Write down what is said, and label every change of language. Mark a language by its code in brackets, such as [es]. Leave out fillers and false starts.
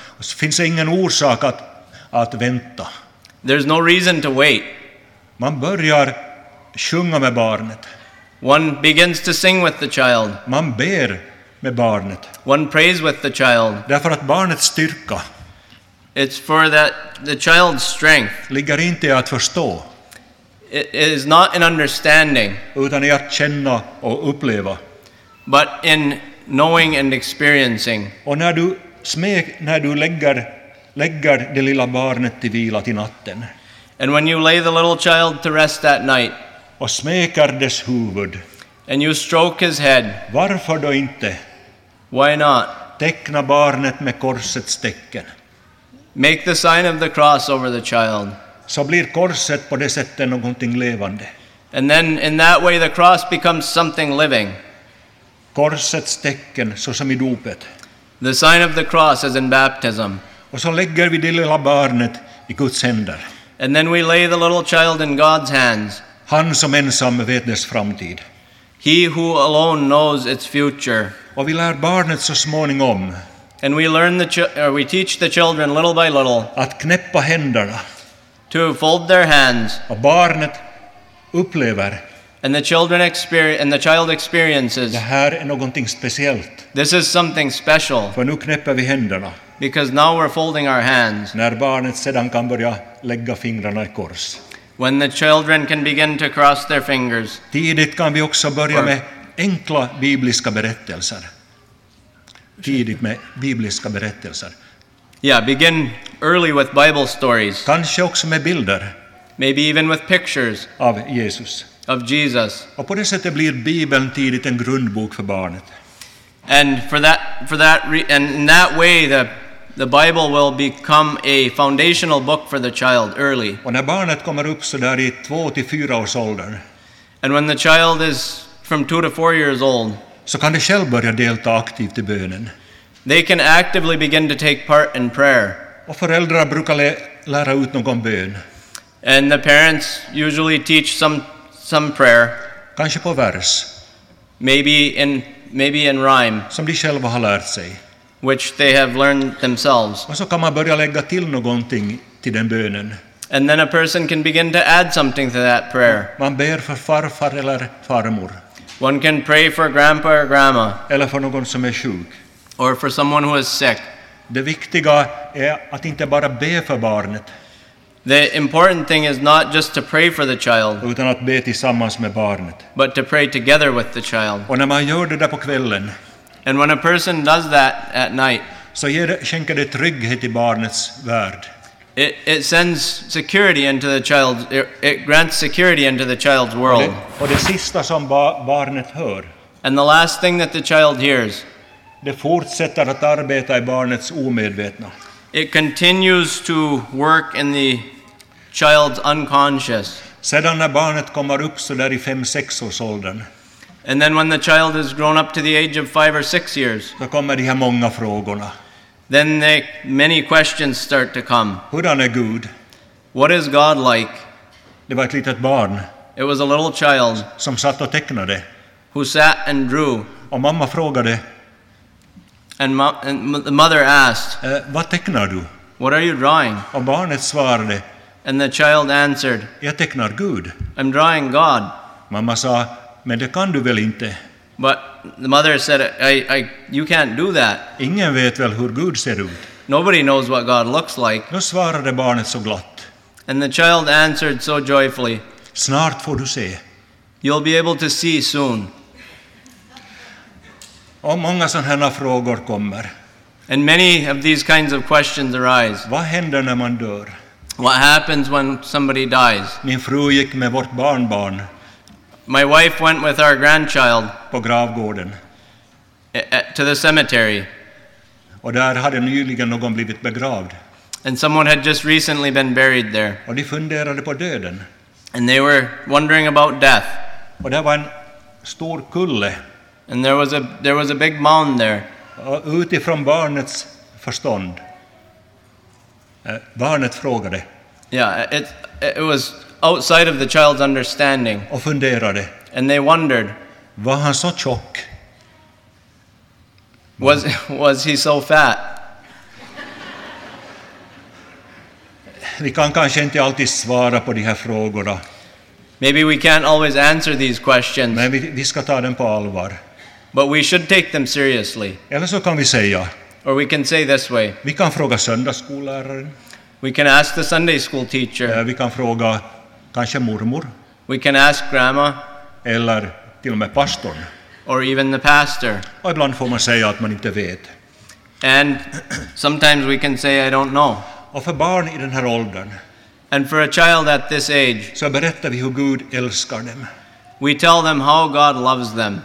[sv] Så finns det ingen orsak att vänta. [en] There's no reason to wait. [sv] Man börjar sjunga med barnet. [en] One begins to sing with the child. [sv] Man ber med barnet. [en] One prays with the child. [sv] Därför att barnets styrka. [en] It's for that the child's strength. [sv] Ligger inte att förstå. [en] It is not an understanding. [sv] Utan i att känna och uppleva. [en] But in knowing and experiencing. [sv] Och när du lägger det lilla barnet till vila till natten. [en] And when you lay the little child to rest that night. [sv] Och smekar dess huvud. [en] And you stroke his head. [sv] Varför då inte? [en] Why not? [sv] Teckna barnet med korsets tecken. [en] Make the sign of the cross over the child. [sv] Så blir korset på det sättet någonting levande. [en] And then in that way the cross becomes something living. [sv] Korsets tecken, så som i dopet. [en] The sign of the cross as in baptism. [sv] Och så lägger vi det lilla barnet i Guds händer. [en] And then we lay the little child in God's hands. [sv] Han som ensam vet dess framtid. [en] He who alone knows its future. [sv] Och vi lär barnet så småningom. [en] And we learn the we teach the children little by little. [sv] Att knäppa händerna. [en] To fold their hands. [sv] Och barnet upplever. [en] And the children experience and the child experiences. [sv] Det här är någonting speciellt. [en] This is something special. [sv] För nu knäpper vi händerna. [en] Because now we're folding our hands. [sv] När barnet sedan kan börja lägga fingrarna i kors. [en] When the children can begin to cross their fingers. [sv] Tidigt kan vi också börja med enkla bibliska berättelser. Tidigt med bibliska berättelser. [en] Yeah, begin early with Bible stories. [sv] Kanske också med bilder. [en] Maybe even with pictures. [sv] Av Jesus. [en] Of Jesus. [sv] Och på det sättet blir Bibeln tidigt en grundbok för barnet. [en] And and in that way the Bible will become a foundational book for the child early. [sv] Och när barnet kommer upp så där i 2-4 års ålder. [en] And when the child is from 2-4 years old. [sv] Så kan de själv börja delta aktivt i bönen. [en] They can actively begin to take part in prayer. [sv] Och föräldrar brukar lära ut någon bön. [en] And the parents usually teach some prayer. [sv] Kanske på vers. [en] Maybe in rhyme. [sv] Som de själva har lärt sig. [en] Which they have learned themselves. [sv] Och så kan man börja lägga till någonting till den bönen. [en] And then a person can begin to add something to that prayer. [sv] Man ber för farfar eller farmor. [en] One can pray for grandpa or grandma. [sv] Eller för någon som är sjuk. [en] Or for someone who is sick. [sv] Det viktiga är att inte bara be för barnet. [en] The important thing is not just to pray for the child. [sv] Utan att be tillsammans med barnet. [en] But to pray together with the child. [sv] Och när man gör det där på kvällen. [en] And when a person does that at night. [sv] Så skänker det trygghet i barnets värld. [en] It sends security into the child. It grants security into the child's world. [sv] Och det sista som barnet hör. [en] And the last thing that the child hears. [sv] Det fortsätter att arbeta i barnets omedvetna. [en] It continues to work in the child's unconscious. [sv] Sedan när barnet kommer upp så där i 5-6 års åldern. [en] And then when the child has grown up to the age of 5 or 6 years. [sv] Så kommer de här många frågorna. [en] Then many questions start to come. [sv] Hurdan är Gud? [en] What is God like? [sv] Det var ett litet barn. [en] It was a little child. [sv] Som satt och tecknade. [en] Who sat and drew. [sv] Och mamma frågade. [en] And the mother asked. [sv] Vad tecknar du? [en] What are you drawing? [sv] Och barnet svarade. [en] And the child answered. [sv] Jag tecknar Gud. [en] I'm drawing God. [sv] Mamma sa, men det kan du väl inte? [en] But the mother said, I you can't do that. [sv] Ingen vet väl hur Gud ser ut. [en] Nobody knows what God looks like. [sv] Då svarade barnet så glatt. [en] And the child answered so joyfully. [sv] Snart får du se. [en] You'll be able to see soon. [sv] Och många sådana här frågor kommer. [en] And many of these kinds of questions arise. [sv] Vad händer när man dör? [en] What happens when somebody dies? [sv] Min fru gick med vårt barnbarn. [en] My wife went with our grandchild. [sv] På gravgården. [en] To the cemetery. [sv] Och där hade nyligen någon blivit begravd. [en] And someone had just recently been buried there. [sv] Och de funderade på döden. [en] And they were wondering about death. [sv] Och där var en stor kulle. [en] And there was a big mound there. [sv] Utifrån barnets förstånd. Barnet frågade. [en] Yeah, it was outside of the child's understanding. [sv] Och funderade. [en] And they wondered. [sv] Var han så tjock? [en] Was he so fat? [sv] Vi kan kanske inte alltid svara på de här frågorna. [en] Maybe we can't always answer these questions. [sv] Men vi ska ta dem på allvar. [en] But we should take them seriously. [sv] Eller så kan vi säga. [en] Or we can say this way. [sv] Vi kan fråga söndagsskolläraren. [en] We can ask the Sunday school teacher. [sv] Vi kan fråga kanske mormor. [en] We can ask grandma. [sv] Eller till och med pastorn. [en] Or even the pastor. [sv] Och ibland får man säga att man inte vet. [en] And sometimes we can say I don't know. [sv] Och för barn i den här åldern. [en] And for a child at this age. [sv] Så berättar vi hur Gud älskar dem. [en] We tell them how God loves them.